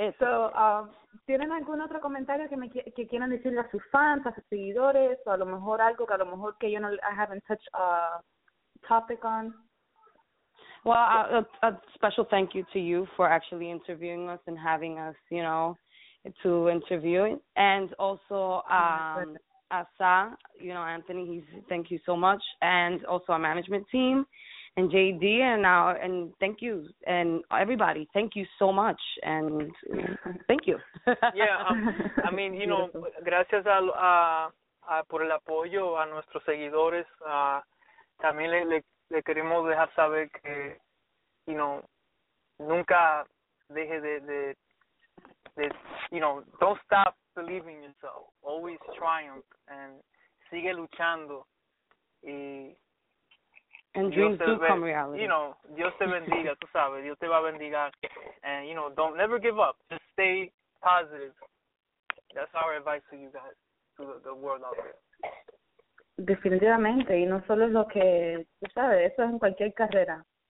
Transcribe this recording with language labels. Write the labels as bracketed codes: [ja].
[es] So, ¿tienen algún otro comentario que quieran decirle a sus fans, a sus seguidores, o a lo mejor algo que a lo mejor que yo no, [en] I haven't touched a topic on? Well, a special thank you to you for actually interviewing us and having us, you know, to interview. And also, Asa, you know, Anthony, thank you so much, and also our management team, and JD, and thank you, and everybody, thank you so much, and thank you. Yeah, I mean, [es] you know, gracias por el apoyo a nuestros seguidores. También le queremos dejar saber que, you know, nunca deje de you know, [en] don't stop believing in yourself. Always triumph and [es] sigue luchando. [en] And dreams do come reality. [es] You know, Dios te bendiga, tú sabes. Dios te va a bendigar. [en] And, you know, don't never give up. Just stay positive. That's our advice to you guys, to the world out there. [es] Definitivamente. Y no solo lo que, tú sabes, eso es en cualquier carrera.